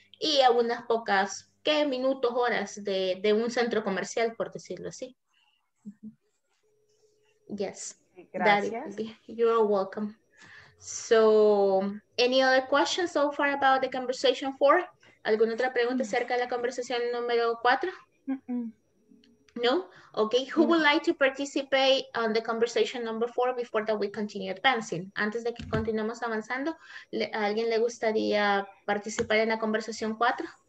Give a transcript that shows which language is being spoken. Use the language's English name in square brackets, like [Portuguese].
[Spanish] Y a unas pocas, ¿qué? Minutos, horas de un centro comercial, por decirlo así. [English] Yes. [Spanish] Gracias. Daddy, [English] you're welcome. So, any other questions so far about the conversation four? [Spanish] ¿Alguna otra pregunta acerca de la conversación número 4? [English] No? Okay, who would like to participate on the conversation number 4 before that we continue advancing? [Spanish] Antes de que continuemos avanzando, ¿a alguien le gustaría participar en la conversación 4?